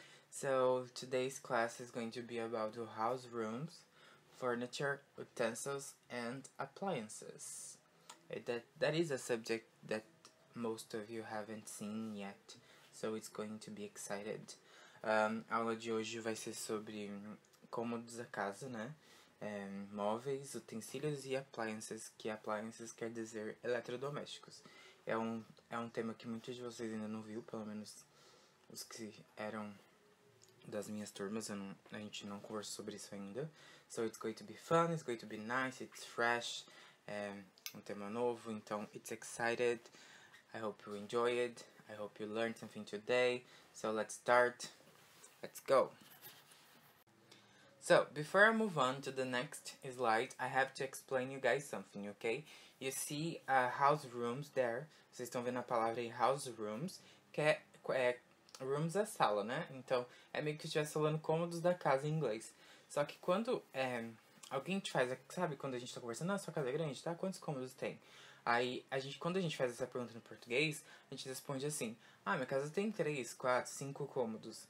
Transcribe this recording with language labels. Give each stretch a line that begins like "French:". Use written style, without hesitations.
English: So, today's class is going to be about the house rooms, furniture, utensils, and appliances. That is a subject that most of you haven't seen yet, so it's going to be excited.
Portuguese: A aula de hoje vai ser sobre cômodos da casa, né? Móveis, utensílios e appliances, que appliances quer dizer eletrodomésticos. É um tema que muitos de vocês ainda não viu, pelo menos os que eram das minhas turmas, a gente não conversou sobre isso ainda.
English: So it's going to be fun, it's going to be nice, it's fresh,
Portuguese: um tema novo, então
English: it's excited. I hope you enjoy it, I hope you learned something today. So let's start, let's go. So, before I move on to the next slide, I have to explain you guys something, okay? You see house rooms there.
Portuguese: Vocês estão vendo a palavra aí, house rooms, que é rooms é sala, né? Então, é meio que estivesse falando cômodos da casa em inglês. Só que quando alguém te faz, sabe, quando a gente está conversando, ah, sua casa é grande, tá? Quantos cômodos tem? Aí, quando a gente faz essa pergunta no português, a gente responde assim, ah, minha casa tem 3, 4, 5 cômodos.